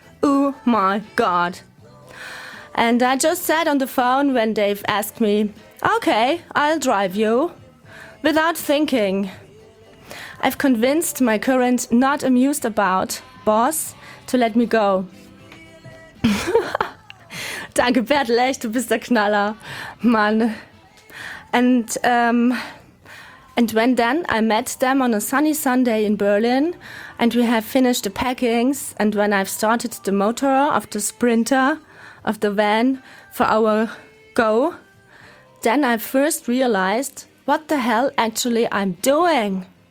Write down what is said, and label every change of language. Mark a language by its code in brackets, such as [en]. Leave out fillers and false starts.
[en] Oh my God. And I just sat on the phone when Dave asked me, okay, I'll drive you, without thinking. I've convinced my current not amused about boss to let me go. [de] Danke, Bert Lech, du bist der Knaller, Mann. [en] And when then I met them on a sunny Sunday in Berlin and we have finished the packings and when I've started the motor of the sprinter of the van for our go, then I first realized what the hell actually I'm doing.